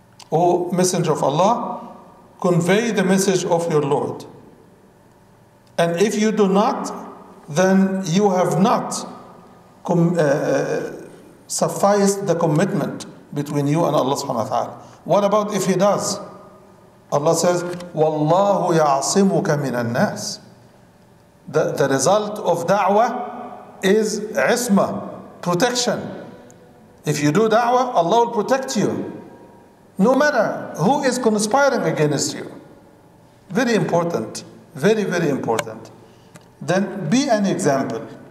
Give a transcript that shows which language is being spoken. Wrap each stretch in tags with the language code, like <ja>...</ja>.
<en>O Messenger of Allah, convey the message of your Lord. And if you do not, then you have not sufficed the commitment between you and Allah subhanahu wa ta'ala. What about if he does? Allah says,</en> <ar>وَاللَّهُ يَعْصِمُكَ مِنَ النَّاسِ.</ar> <en>The result of da'wah is عِصْمَة, protection. If you do da'wah, Allah will protect you. No matter who is conspiring against you. Very important, very, very important. Then be an example.</en>